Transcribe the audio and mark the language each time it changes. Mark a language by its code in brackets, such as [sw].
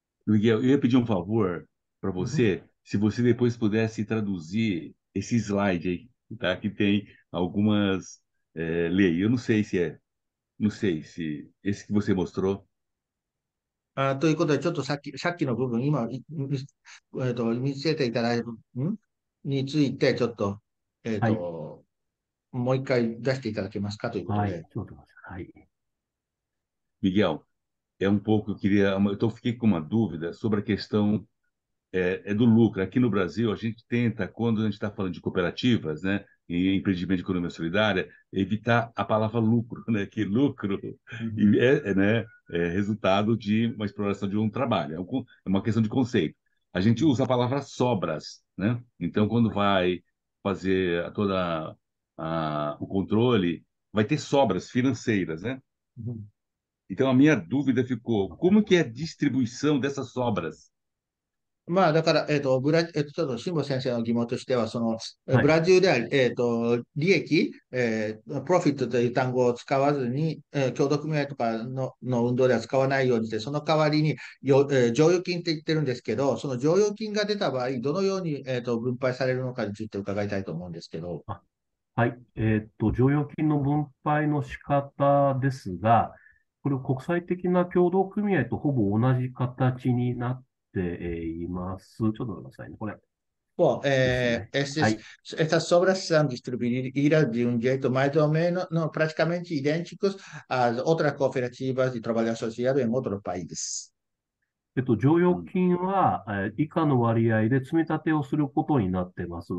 [pt] Miguel, eu ia pedir um favor para você, se você depois pudesse traduzir esse slide aí, tá? Que tem algumas leis. Eu não sei se é. Não sei se esse que você mostrou. [ja] あ、ということで、ちょっとさっきの部分、今、見せていただいた、について、ちょっと、はい。もう一回出していただけますかということはい、で。ちょっと待ってください。はい。 [pt] Miguel. É um pouco, eu fiquei com uma dúvida sobre a questão do lucro. Aqui no Brasil, a gente tenta, quando a gente está falando de cooperativas, né, e empreendimento de economia solidária, evitar a palavra lucro, né, que lucro é resultado de uma exploração de um trabalho. É uma questão de conceito. A gente usa a palavra sobras, né? Então, quando vai fazer toda o controle, vai ter sobras financeiras, né? Então, a minha dúvida ficou: como que é a distribuição dessas sobras? [ja] まあ、だから、ちょっと辛坊先生の疑問としては、はい。ブラジルでは、利益、プロフィットという単語を使わずに、協同組合とかの運動では使わないようにして、その代わりに、剰余金って言ってるんですけど、その剰余金が出た場合、どのように、分配されるのかについて伺いたいと思うんですけど。はい。剰余金の分配の仕方ですが、これ国際的な協同組合とほぼ同じ形になっています。ちょっとくださいね。これ [pt] Bom, [ja] ですね。はい。 [pt] essas sobras são distribuídas de um jeito mais ou menos, não, praticamente idênticos às outras cooperativas de trabalho associado em outros países. [ja] 剰余金は以下の割合で積み立てをすることになっています。